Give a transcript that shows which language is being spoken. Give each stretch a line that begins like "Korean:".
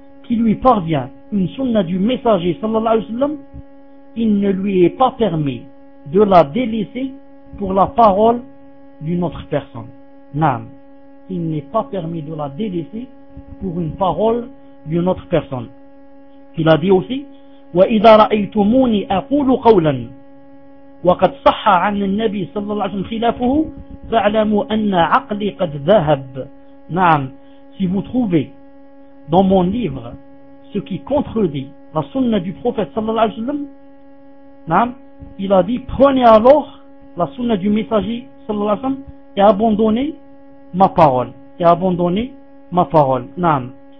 French: qui lui parvient une sunna du messager sallallahu alayhi wa sallam, il ne lui est pas permis de la délaisser pour la parole d'une autre personne. Naam. Il n'est pas permis de la délaisser pour une parole d'une autre personne. Il a dit aussi,
Arabic: وَإِذَا رَأَيْتُمُونِي أَقُولُ قَوْلًا وَقَدْ صَحَّ عَنِ النَّبِي صلى الله عليه وسلم خِلَافُهُ فَعْلَمُوا أَنَّ عَقْلِي قَدْ ذَهَبَ. Naam.
French: Si vous trouvez dans mon livre ce qui contredit la sunna du prophète صلى الله عليه وسلم, naam, il a dit, prenez alors la sunna du messager صلى الله عليه وسلم et abandonnez ma parole. Et abandonnez ma parole. Naam.